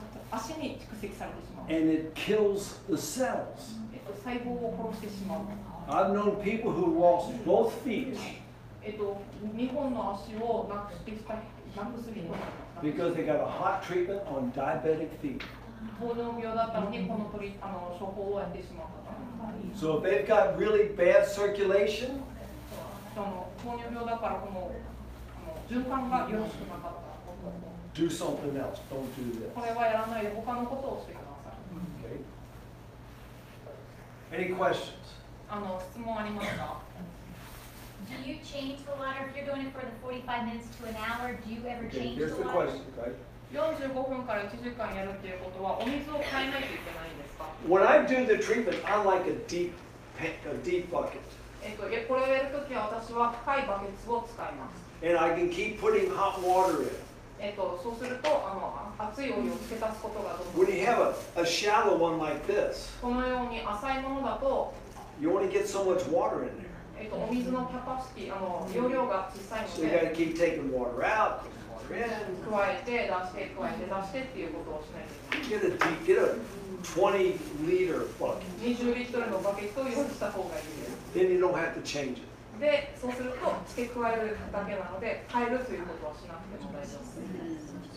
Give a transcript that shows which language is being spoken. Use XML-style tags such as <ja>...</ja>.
<ja>足に蓄積されてしまう。</ja> <en>And it kills the cells.</en> <ja>細胞を殺してしまう。</ja> <en>I've known people who lost both feet.</en> <ja>2本の足をなくしてきた、なくす人もいます。</ja> <en>Because they got a hot treatment on diabetic feet.</en> <ja>糖尿病だったのにこの処方をやってしまったから。 Mm-hmm.</ja> <en>So if they've got really bad circulation,</en> <ja>糖尿病だからこの循環がよろしくなかった。</ja> <en>Do something else. Don't do this.</en> <ja>これはやらないで他のことをしてください。</ja> <en>Okay. Any questions?</en> <ja>質問ありますか?</ja> <en>Do you change the water if you're doing it for the 45 minutes to an hour? Do you ever change the water? Here's the question, right?</en> <ja>45分から1時間やるっていうことはお水を変えないといけないんですか?</ja> <en>When I do the treatment, I like a deep bucket.</en> <ja>これをやるときは私は深いバケツを使います。</ja> <en>And I can keep putting hot water in.</en> <ja>そうすると熱いお湯をつけ足すことがどうか。</ja> <en>When you have a shallow one like this,</en> <ja>このように浅いものだと、</ja> <en>you only get so much water in there.</en> <ja>お水のキャパシティ、容量が小さいので、</ja> <en>so you gotta keep taking water out, putting water in.</en> <ja>加えて出してっていうことをしないといけない。</ja> <en>Get a 20 liter bucket.</en> <ja>20リットルのバケットを用意した方がいいです。</ja> <en>Then you don't have to change it.</en> <ja>で、そうすると付け加えるだけなので変えるということはしなくても大丈夫です。</ja>